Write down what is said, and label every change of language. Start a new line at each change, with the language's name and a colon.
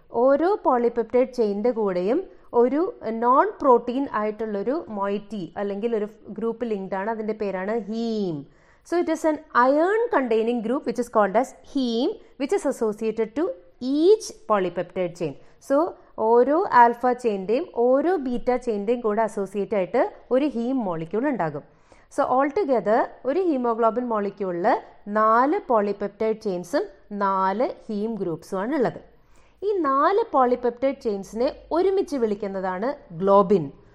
Malayalam: ഓരോ പോളിപെപ്റ്റൈഡ് ചെയിൻ്റെ കൂടെയും ഒരു നോൺ പ്രോട്ടീൻ ആയിട്ടുള്ളൊരു മോയിറ്റി അല്ലെങ്കിൽ ഒരു ഗ്രൂപ്പ് ലിങ്ക്ഡ് ആണ്, അതിൻ്റെ പേരാണ് haem.
English: So it is an iron containing group which is called as heme, which is associated to each polypeptide chain.
Malayalam: So ഓരോ ആൽഫ ചെയിൻ്റെയും ഓരോ ബീറ്റ ചെയിൻ്റെയും കൂടെ അസോസിയേറ്റ് ആയിട്ട് ഒരു ഹീം മോളിക്യൂൾ ഉണ്ടാകും.
English: so all together
Malayalam: ഒരു ഹീമോഗ്ലോബിൻ മോളിക്യൂളിൽ 4 പോളിപെപ്റ്റൈഡ് ചെയിൻസും 4 ഹീം ഗ്രൂപ്പ്സുമാണ് ഉള്ളത്. ഈ 4 polypeptide ചെയിൻസിനെ ഒരുമിച്ച് വിളിക്കുന്നതാണ് ഗ്ലോബിൻ.